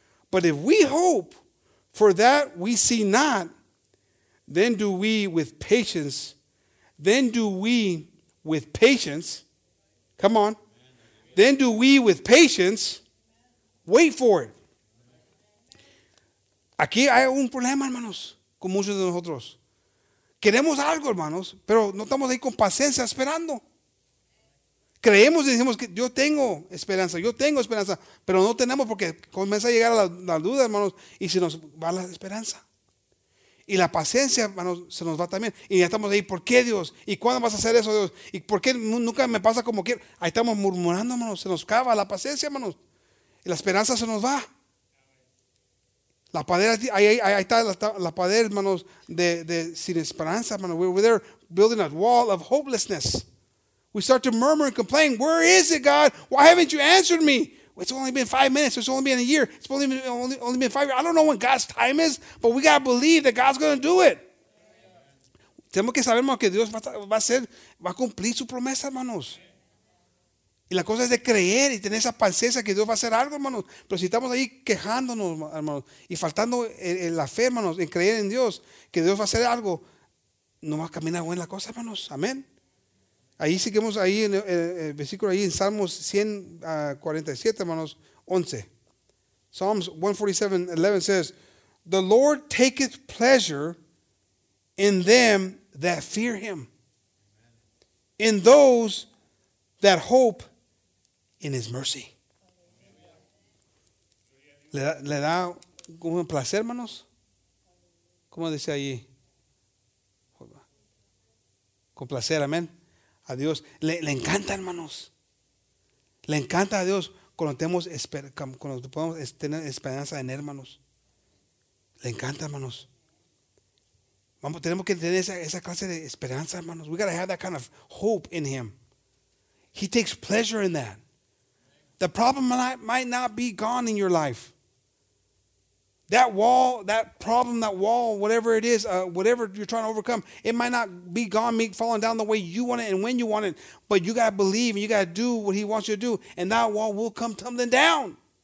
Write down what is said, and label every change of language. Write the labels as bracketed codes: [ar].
[en] But if we hope for that we see not, then do we with patience, come on, then do we with patience wait for it. [es] Aquí hay un problema, hermanos, con muchos de nosotros. Queremos algo, hermanos, pero no estamos ahí con paciencia esperando. Creemos y decimos que yo tengo esperanza, pero no tenemos porque comienza a llegar la duda, hermanos, y se nos va la esperanza. Y la paciencia, hermanos, se nos va también. Y ya estamos ahí, ¿por qué, Dios? ¿Y cuándo vas a hacer eso, Dios? ¿Y por qué nunca me pasa como quiero? Ahí estamos murmurando, hermanos, se nos cava la paciencia, hermanos. Y la esperanza se nos va. La pared, ahí está la pared, hermanos, de sin esperanza, hermanos. [en] We're there building a wall of hopelessness. We start to murmur and complain. Where is it, God? Why haven't you answered me? It's only been 5 minutes. It's only been a year. It's only been 5 years. I don't know when God's time is, but we got to believe that God's going to do it. [es] Tenemos que saber, hermanos, que Dios va a cumplir su promesa, hermanos. Y la cosa es de creer y tener esa paciencia que Dios va a hacer algo, hermanos. Pero si estamos ahí quejándonos, hermanos, y faltando en la fe, hermanos, en creer en Dios, que Dios va a hacer algo, no va a caminar buena la cosa, hermanos. Amén. Ahí seguimos ahí en el versículo, ahí en Salmos 147, hermanos, 11. [en] Psalms 147:11 says, "The Lord taketh pleasure in them that fear him, in those that hope in his mercy." [es] Le da un placer, hermanos. ¿Cómo dice allí? Con placer, amén. A Dios le encanta, hermanos. Le encanta a Dios cuando podemos tener esperanza en hermanos. Le encanta, hermanos. Vamos, tenemos que tener esa clase de esperanza, hermanos. [en] We got to have that kind of hope in him. He takes pleasure in that. The problem might not be gone in your life. That wall, that problem, that wall, whatever it is, whatever you're trying to overcome, it might not be gone, falling down the way you want it and when you want it, but you got to believe and you got to do what he wants you to do, and that wall will come tumbling down.